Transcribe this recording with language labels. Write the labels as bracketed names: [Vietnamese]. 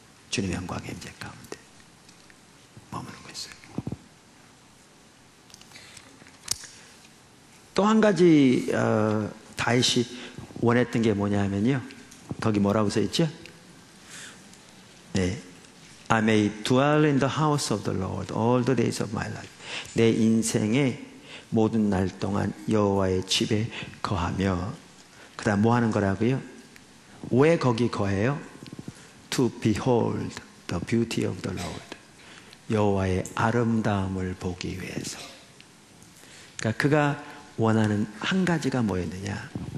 [Korean] 주님의 영광의 임재 가운데 머무는 거였어요. 또 한 가지 다윗이 원했던 게 뭐냐면요, 거기 뭐라고 써있죠? [English] 네, I may dwell in the house of the Lord all the days of my life. [Korean] 내 인생의 모든 날 동안 여호와의 집에 거하며, 그 다음 뭐 하는 거라고요? 왜 거기 거해요? [English] To behold the beauty of the Lord. [Korean] 여호와의 아름다움을 보기 위해서. 그러니까 그가 원하는 한 가지가 뭐였느냐?